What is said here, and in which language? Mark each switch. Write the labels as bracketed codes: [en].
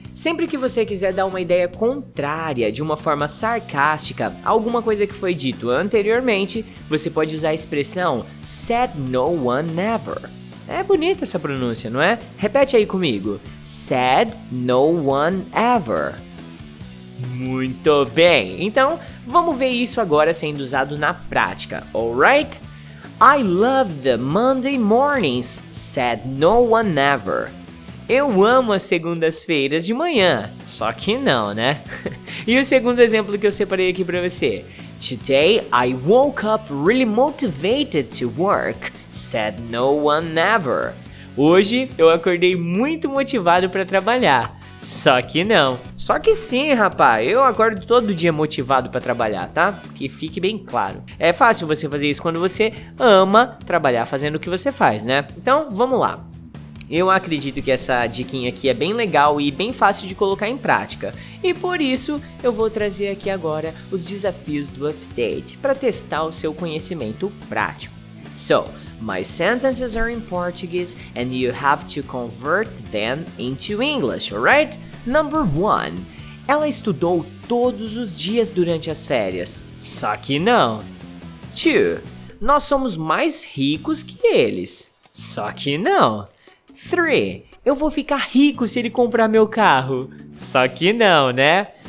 [pt] Sempre que você quiser dar uma ideia contrária, de uma forma sarcástica, alguma coisa que foi dito anteriormente, você pode usar a expressão [en] said no one never. [pt] É bonita essa pronúncia, não é? Repete aí comigo. [en] Said no one ever. [pt] Muito bem! Então, vamos ver isso agora sendo usado na prática, [en] alright? I love the Monday mornings, said no one ever. [pt] Eu amo as segundas-feiras de manhã, só que não, né? E o segundo exemplo que eu separei aqui pra você. [en] Today I woke up really motivated to work, said no one ever. [pt] Hoje eu acordei muito motivado pra trabalhar. Só que não. Só que sim, rapaz. Eu acordo todo dia motivado pra trabalhar, tá? Que fique bem claro. É fácil você fazer isso quando você ama trabalhar fazendo o que você faz, né? Então, vamos lá. Eu acredito que essa diquinha aqui é bem legal e bem fácil de colocar em prática. E por isso, eu vou trazer aqui agora os desafios do update pra testar o seu conhecimento prático. [en] So, my sentences are in Portuguese and you have to convert them into English, alright? Number 1. [pt] Ela estudou todos os dias durante as férias. Só que não. 2. Nós somos mais ricos que eles. Só que não. 3. Eu vou ficar rico se ele comprar meu carro. Só que não, né?